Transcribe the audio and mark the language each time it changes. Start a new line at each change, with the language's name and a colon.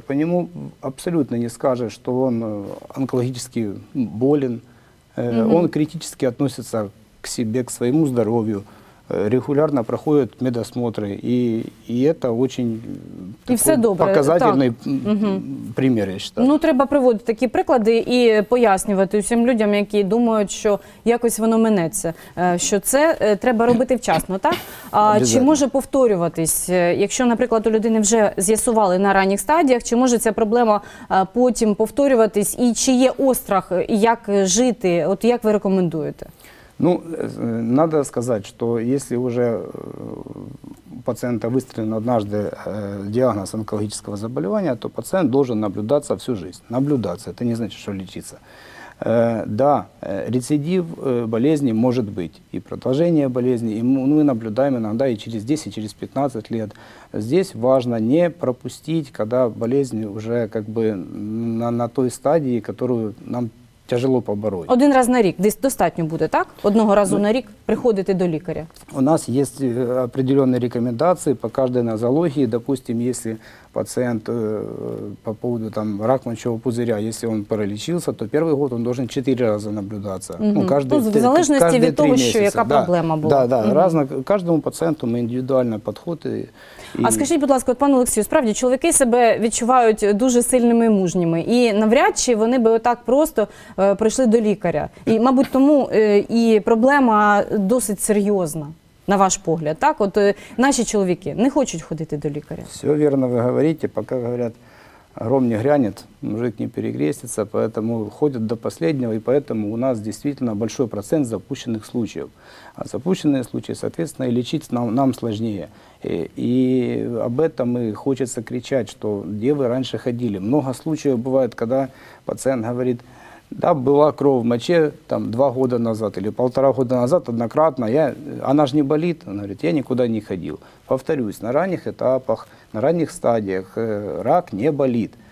Russian: По нему абсолютно не скажешь, что он онкологически болен. Он критически относится к себе, к своему здоровью. регулярно проходят медосмотры, и это очень и такой показательный пример, я считаю.
Ukrainian: Ну, треба приводити такі приклади і пояснювати усім людям, які думають, що якось воно минеться, що це треба робити вчасно, так? А чи може повторюватись, якщо, наприклад, у людини вже з'ясували на ранніх стадіях, чи може ця проблема потім повторюватись, і чи є острах, як жити, от як ви рекомендуєте?
Russian: Ну, надо сказать, что если уже у пациента выставлен однажды диагноз онкологического заболевания, то пациент должен наблюдаться всю жизнь. Наблюдаться, это не значит, что лечиться. Да, рецидив болезни может быть, и продолжение болезни, и мы наблюдаем иногда и через 10, через 15 лет. Здесь важно не пропустить, когда болезнь уже как бы на той стадии, которую нам тяжело побороть.
Ukrainian: Один раз на рік десь достатньо буде, так? Одного разу на рік приходити до лікаря. У нас є определенні рекомендації по кожній нозології. Допустим, якщо пацієнт по поводу там рак мочового пузиря, якщо він перелічився, то перший год він має 4 рази наблюдатися. Угу. Ну, кожен, в залежності від того, що яка проблема була. Да, да, угу. Разно, кожному пацієнту ми індивідуально підходимо. А скажіть, будь ласка, от пан Олексію, справді чоловіки себе відчувають дуже сильними і мужніми. І навряд чи вони би отак просто прийшли до лікаря. І, мабуть, тому і проблема досить серйозна, на ваш погляд. Так? От наші чоловіки не хочуть ходити до лікаря. Все вірно ви говорите, поки говорять,
Russian: гром не грянет, мужик не перекреститься, поэтому ходят до последнего, и поэтому у нас действительно большой процент запущенных случаев. А запущенные случаи, соответственно, и лечить нам сложнее. И об этом и хочется кричать, что где вы раньше ходили. Много случаев бывает, когда пациент говорит, да, была кровь в моче там 2 года назад или 1,5 года назад однократно, она же не болит, он говорит, я никуда не ходил. Повторюсь, на ранних этапах,
Ukrainian: на ранніх стадіях рак не болить.